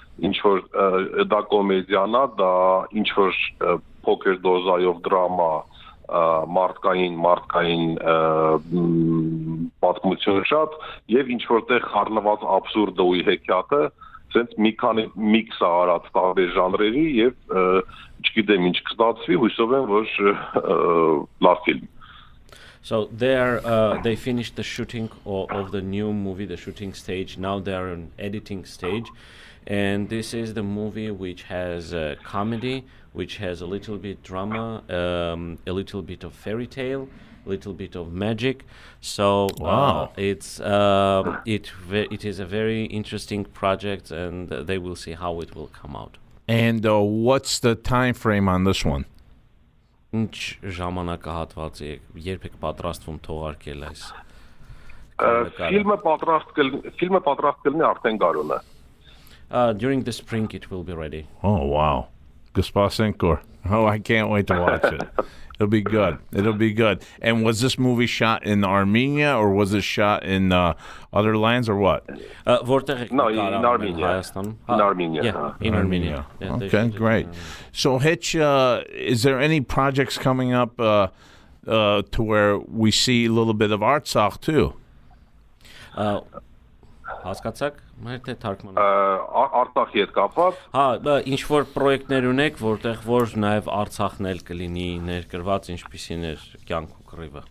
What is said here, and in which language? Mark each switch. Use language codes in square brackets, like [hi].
[hy] ինչ որ դա կոմեդիան է, դա ինչ որ փոքր դոզայով դրամա, մարդկային պատմություն շատ եւ ինչ որտեղ խառնված աբսուրդ ու հեքիաթը, սենց մի քանի միքս է արած տարբեր ժանրերի եւ չգիտեմ ինչ կստացվի, հուսով եմ որ լավ ֆիլմ. [en] So they finished the shooting of the new movie, the shooting stage. Now they are in editing stage. And this is the movie which has a comedy, which has a little bit drama, a little bit of fairy tale, a little bit of magic. So it is a very interesting project, and they will see how it will come out. And what's the time frame on this one? [hy] Ինչ ժամանակահատված է, երբ եք պատրաստվում թողարկել այս ֆիլմը? Ֆիլմը պատրաստ կլինի արդեն գարունը. [en] During the spring it will be ready. Oh wow. Gospasenkor. Oh, I can't wait to watch it. It'll be good. It'll be good. And was this movie shot in Armenia or was it shot in other lands or what? [hy] Որտեղ եք նկարում? [en] No, in Armenia. In Armenia. Yeah, in Armenia. Okay, they should, great. So Hitch, is there any projects coming up to where we see a little bit of Artsakh too? [hy] Հասկացաք, մեր թե թարգմանը Արցախի հետ կապված։ Հա, ինչ որ պրոյեկտներ ունեք, որտեղ որ նաև Արցախն էլ կլինի ներգրված, ինչպիսին էր Կյանք ու Կռիվը։